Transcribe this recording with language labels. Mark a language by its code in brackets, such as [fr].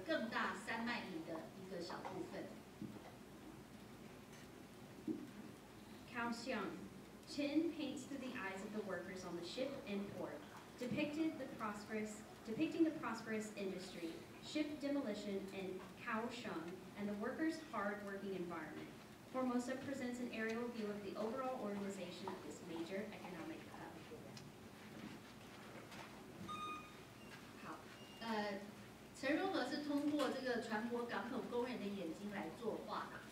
[zh] 我们现在来到嘉义的阿里山，陈荣和的阿里山是用远处群山来烘托它的制高点，呈现百姓对于神木的一个仰望，而宝岛长春图呢，则是将阿里山描绘成为一个更大山脉里的一个小部分。 [en] Kaohsiung. Chin paints through the eyes of the workers on the ship and port, depicting the prosperous industry, ship demolition in Kaohsiung, and the workers' hard-working environment. Formosa presents an aerial view of the overall organization of this major economic hub. [zh] 好，陈荣和是通过这个船舶港口工人的眼睛来作画。